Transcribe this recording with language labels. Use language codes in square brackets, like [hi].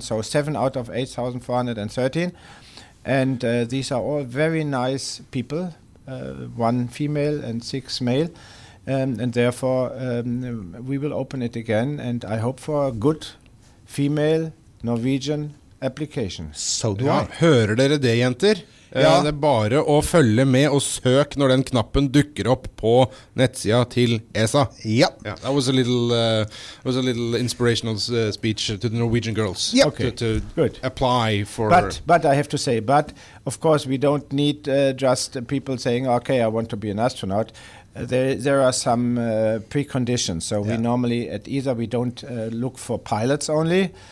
[en] So seven out of 8,413. And these are all very nice people. One female and six male, and therefore we will open it again, and I hope for a good female Norwegian application. So do I. [no] Hører dere det, jenter? Ja. Det bare å følge med og søk når den knappen dukker opp på nettsida til ESA. Ja. [en] That was a little inspirational speech to the Norwegian girls. Yep. Okay. To good. Apply for. But I have to say, but of course we don't need just people saying, okay, I want to be an astronaut. There are some preconditions. So we normally at ESA we don't look for pilots only.